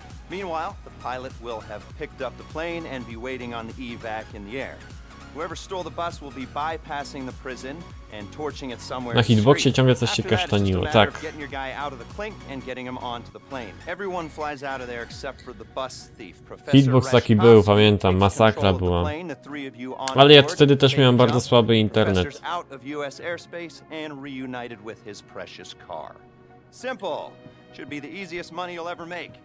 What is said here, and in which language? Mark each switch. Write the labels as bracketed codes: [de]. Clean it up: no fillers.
[en] Meanwhile, the pilot will have picked up the plane and be waiting on the evac in the air. Whoever stole the bus will be bypassing the prison and torching it somewhere. [pl] Na hitboxie ciągle coś się kasztaniło, tak. [en] Getting your guy out of the clink and getting him onto the plane. Everyone flies out of there except for the bus thief. [pl] Hitbox taki był, pamiętam, masakra była. Ale ja wtedy też miałem bardzo słaby internet. [en] Out of US airspace and reunited with his precious car. Simple. Should be the easiest money you'll ever make.